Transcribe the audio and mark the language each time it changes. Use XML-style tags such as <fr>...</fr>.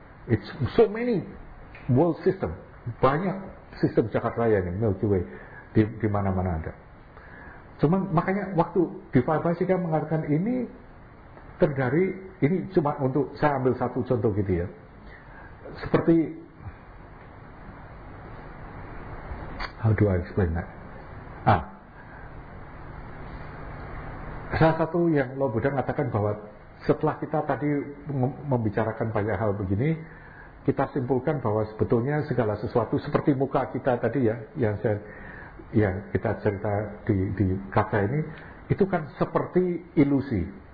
<en>It's so many world system,</en> <id>banyak sistem jagat raya ini, Milky Way, di mana-mana ada. Cuman makanya waktu Vaibhasika mengatakan ini terdari, ini cuma untuk saya ambil satu contoh gitu ya. Seperti</id> <en>how do I explain that?</en> <id>Salah satu yang Lord Buddha mengatakan bahwa setelah kita tadi membicarakan banyak hal begini, kita simpulkan bahwa sebetulnya segala sesuatu seperti muka kita tadi ya, yang kita cerita di kaca ini, itu kan seperti ilusi.</id>